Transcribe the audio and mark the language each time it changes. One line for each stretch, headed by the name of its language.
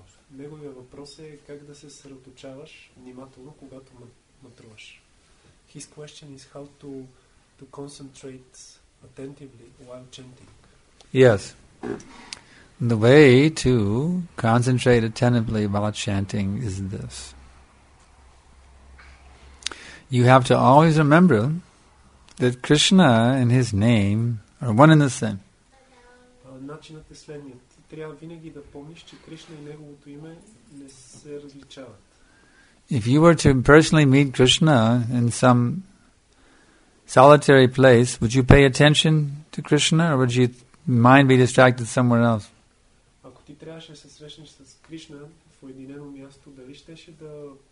Bulgarian: Неговия въпрос е как да се съсредоточаваш внимателно, когато мътруваш.
English: His question is how to concentrate attentively while chanting. Yes. The way to concentrate attentively while chanting is this. You have to always remember that Krishna and his name are one and the same.
Bulgarian: Начинът е следният. Ти трябва винаги да помниш, че Кришна и неговото име не се различават.
English: If you were to personally meet Krishna in some solitary place, would you pay attention to Krishna or would your mind be distracted somewhere else?
Bulgarian: Ако ти трябваше да се срещнеш с Кришна в уединено място, дали щеше да...